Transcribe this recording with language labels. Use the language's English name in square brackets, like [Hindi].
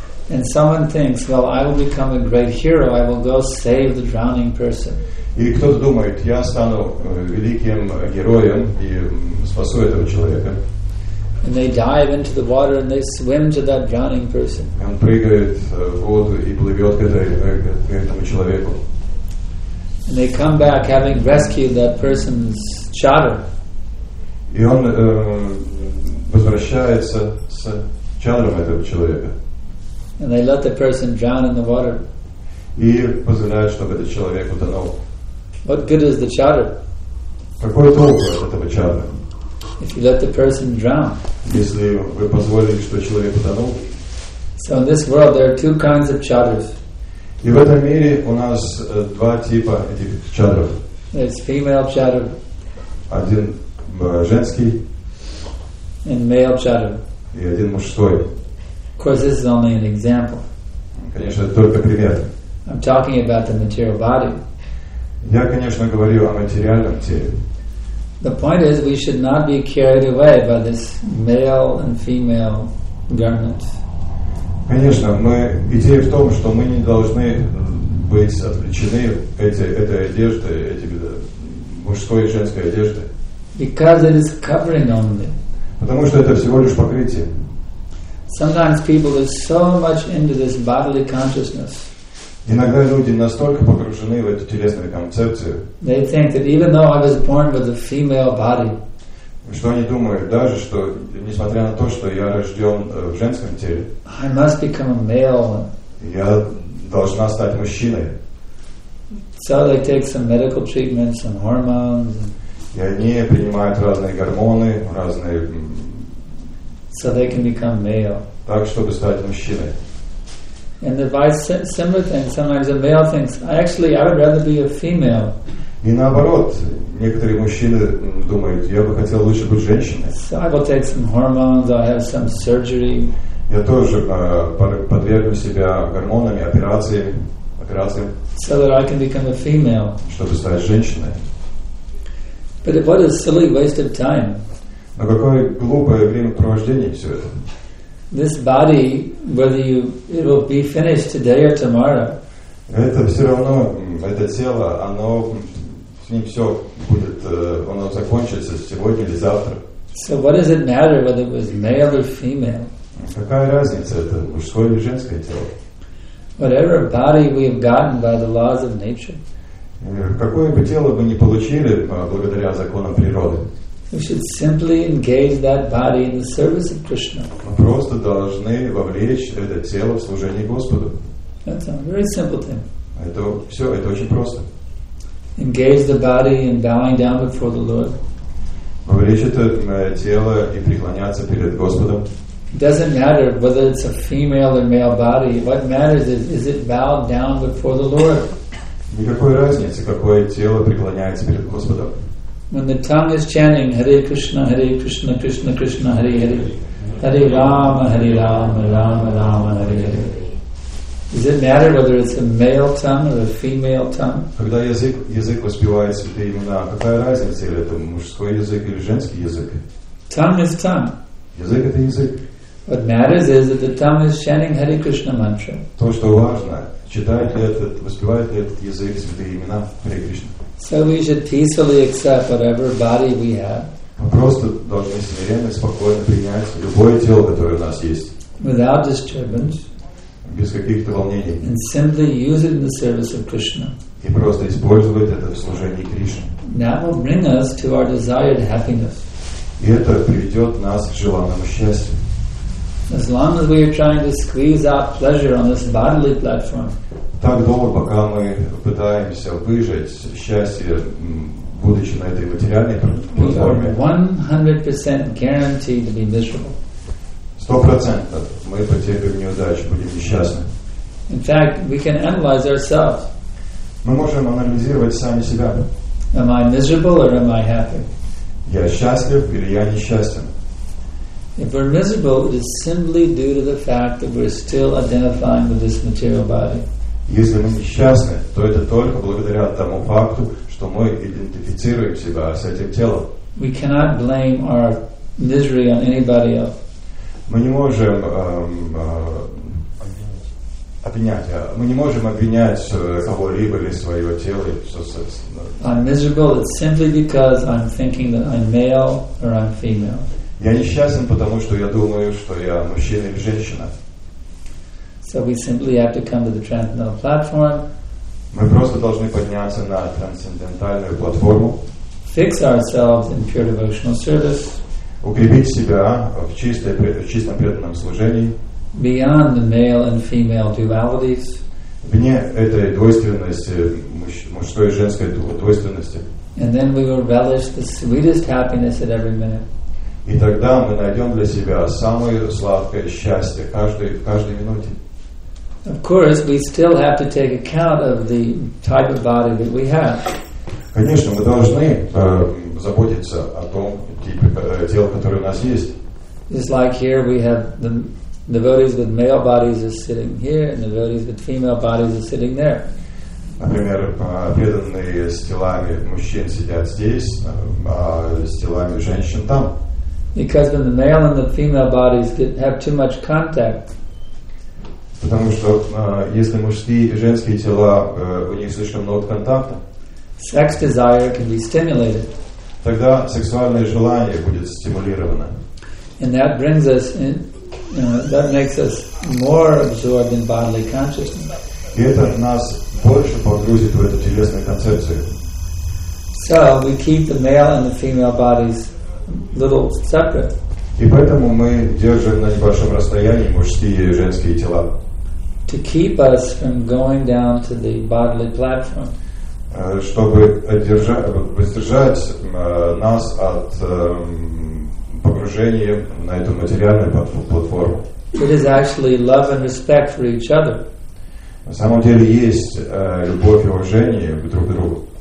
[English] and someone thinks, well, I will become a great hero, I will go save the drowning person. [Russian] И кто-то думает, я стану великим героем и спасу этого человека. [English] And they dive into the water and they swim to that drowning person. [Russian] И он прыгает в воду и плывет к этому человеку. [English] And they come back having rescued that person's chatter. [Russian] И он возвращается с чадром этого человека. [English] And they let the person drown in the water. [Russian] И позволяют, чтобы этот человек утонул. [English] What good is the chatter? [Russian] Какой толк от этого чадра? [English] If you let the person drown. [Russian] Если вы позволили, что человек утонул. [English] So in this world there are two kinds of chatters. [Russian] И в этом мире у нас два типа этих чадров. [English] It's female chatter. [Russian] Один женский. [English] And male chatter. [Russian] И один мужской. [English] Of course, this is only an example. [Russian] Конечно, это только пример. [English] I'm talking about the material body. [Russian] Я, конечно, говорю о материальном теле. [English] The point is, we should not be carried away by this male and female garment. [Russian] Конечно, мы идея в том, что мы не должны быть отвлечены этой одеждой, этими мужской и женской одеждой. [English] Because it is covering only. [Russian] Потому что это всего лишь покрытие. [English] Sometimes people are so much into this bodily consciousness. [Russian] Иногда люди настолько погружены в эту телесную концепцию. [English] They think that even though I was born with a female body. [Russian] Что они думают, даже что, несмотря на то, что я рожден в женском теле. [English] I must become a male. [Russian] Я должна стать мужчиной. [English] So they take some medical treatments, some hormones. [Russian] И они принимают разные гормоны, разные. [English] So they can become male. [Russian] Так, чтобы стать мужчиной. [English] And the vice similar thing, sometimes a male thinks, actually, I would rather be a female. [Russian] И наоборот, некоторые мужчины думают, я бы хотел лучше быть женщиной. [English] So I will take some hormones, I'll have some surgery. [Russian] Я тоже подвергну себя гормонами, операциям. [English] So that I can become a female. [Russian] Чтобы стать женщиной. [English] But what a silly waste of time. [Russian] Но какое глупое времяпровождение все это. [English] This body, whether you it will be finished today or tomorrow. [Russian] Это все равно, это тело, оно с ним все будет, оно закончится сегодня или завтра. [English] So what does it matter whether it was male or female? [Russian] Какая разница, это мужское или женское тело? [English] Whatever body we have gotten by the laws of nature. [Russian] Какое бы тело мы ни получили благодаря законам природы. [English] We should simply engage that body in the service of Krishna. [Russian] Мы просто должны вовлечь это тело в служение Господу. [English] That's a very simple thing. [Russian] Это все, это очень просто. [English] Engage the body in bowing down before the Lord. [Russian] Вовлечь это тело и преклоняться перед Господом. [English] It doesn't matter whether it's a female or male body. What matters is it bowed down before the Lord. [Russian] Никакой разницы, какое тело преклоняется перед Господом. [English] When the tongue is chanting Hare Krishna, Hare Krishna, Krishna Krishna, Hare Hare, Hare Rama, Hare Rama, Rama Rama, Hare Hare. Does it matter whether it's a male tongue or a female tongue? [Russian] Когда язык воспевает святые имена, какая разница, или это мужской язык или женский язык? [English] Tongue is tongue. [Russian] Язык это язык. [English] What matters is that the tongue is chanting Hare Krishna mantra. [Russian] То, что важно, читает ли этот, воспевает ли этот язык святые имена Hare Krishna. [English] So we should peacefully accept whatever body we have. [Russian] Мы просто должны смиренно, спокойно принять любое тело, которое у нас есть. [English] Without disturbance. [Russian] Без каких-то волнений. [English] And simply use it in the service of Krishna. [Russian] И просто использовать это в служении Кришне. [English] That will bring us to our desired happiness. [Russian] И это приведет нас к желанному счастью. [English] As long as we are trying to squeeze out pleasure on this bodily platform. [Russian] Так долго, пока мы пытаемся выжать счастье, будучи на этой материальной платформе, [English] 100% guaranteed to be miserable. [Russian] 100% мы потерпим неудачу, будем несчастны. [English] In fact, we can analyze ourselves. [Russian] Мы можем анализировать сами себя. [English] Am I miserable or am I happy? [Russian] Я счастлив или я несчастен? [English] If we're miserable, it is simply due to the fact that we're still identifying with this material body. [Russian] Если мы несчастны, то это только благодаря тому факту, что мы идентифицируем себя с этим телом. [English] We cannot blame our misery on anybody else. [Russian] Мы не можем обвинять кого-либо или свое тело. [English] I'm miserable simply because I'm thinking that I'm male or I'm female. [Russian] Я несчастен, потому что я думаю, что я мужчина или женщина. [English] So we simply have to come to the transcendental platform. [Russian] Мы просто должны подняться на трансцендентальную платформу. [English] Fix ourselves in pure devotional service. [Russian] Укрепить себя в чистом преданном служении. [English] Beyond the male and female dualities. [Russian] Вне этой двойственности, мужской и женской двойственности. [English] And then we will relish the sweetest happiness at every minute. [Russian] И тогда мы найдем для себя самое сладкое счастье в каждой минуте. [English] Of course, we still have to take account of the type of body that we have. [Russian] Конечно, мы должны заботиться о том типе тела, который у нас есть. [English] Just like here, we have the devotees with male bodies are sitting here, and the devotees with female bodies are sitting there. [Russian] Например, преданные с телами мужчин сидят здесь, а с телами женщин там. [English] Because when the male and the female bodies have too much contact. [Russian] Потому что если мужские и женские тела, у них слишком много контакта, [English] sex desire can be stimulated. [Russian] Тогда сексуальное желание будет стимулировано. [English] And that brings us in, that makes us more absorbed in bodily consciousness. [Russian] И это нас больше погрузит в эту телесную концепцию. [English] So we keep the male and the female bodies little separate. [Russian] И поэтому мы держим на небольшом расстоянии мужские и женские тела. [English] To keep us from going down to the bodily platform. [Russian] Чтобы воздержать нас от погружения на эту материальную платформу. [English] It is actually love and respect for each other. [Russian] На самом деле есть любовь и уважение друг к другу.